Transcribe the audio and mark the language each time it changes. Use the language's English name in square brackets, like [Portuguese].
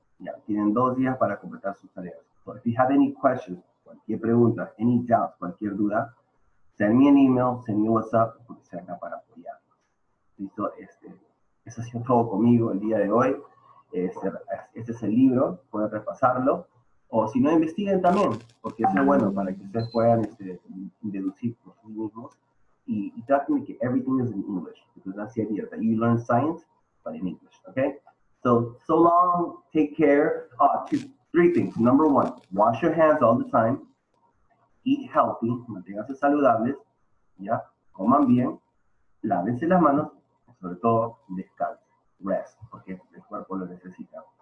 [Spanish] Ya, tienen 2 días para completar sus tareas. [English] So, if you have any questions, [Spanish] cualquier pregunta, [English] any doubts, [Spanish] cualquier duda, [English] send me an email, send me a WhatsApp, [Spanish] porque se acá para apoyar. Listo, eso ha sido todo conmigo el día de hoy. Este es el libro, pueden repasarlo. O si no, investiguen también, porque es bueno para que ustedes puedan deducir por sí mismos. Y traten de que [English] everything is in English, because that's the idea, that you learn science, but in English, okay? So long, take care. Three things. Number one, wash your hands all the time. Eat healthy, [Spanish] manténganse saludables, ya, coman bien, lávense las manos, sobre todo, descanse, [English] rest, [Spanish] porque el cuerpo lo necesita.